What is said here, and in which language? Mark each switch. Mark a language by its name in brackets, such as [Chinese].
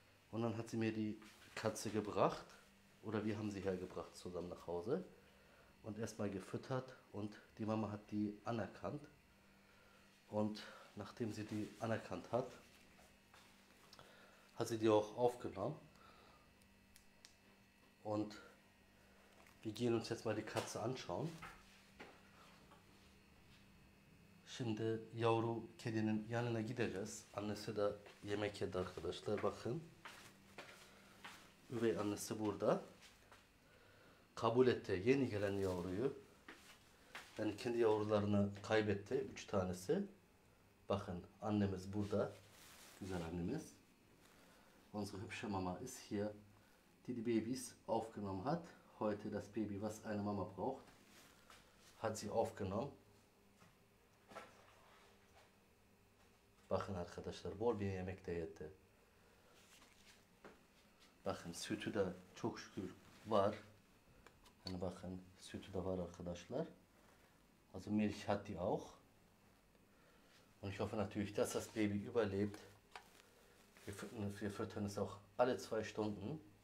[German] Und dann hat sie mir die Katze gebracht oder wir haben sie hergebracht zusammen nach Hause und erstmal gefüttert und die Mama hat die anerkannt. Und nachdem sie die anerkannt hat, hat sie die auch aufgenommen. Und wir gehen uns jetzt mal die Katze anschauen. [Turkish] Şimdi yavru kedinin yanına gideceğiz. Annesi de yemek yedi arkadaşlar. Bakın. Üvey annesi burada. Kabul etti yeni gelen yavruyu. Yani kendi yavrularını kaybetti. 3 tanesi. Bakın annemiz burada. Güzel annemiz. [German] Unsere hübsche Mama ist hier. Die Babys aufgenommen hat. Heute das Baby, was eine Mama braucht, hat sie aufgenommen. [Turkish] Bakın arkadaşlar, bol bir yemek de yedi. Bakın sütü de çok şükür var. Hani bakın sütü de var arkadaşlar. [German] Also Milch hat die auch. Und ich hoffe natürlich, dass das Baby überlebt. Wir füttern es auch alle 2 Stunden.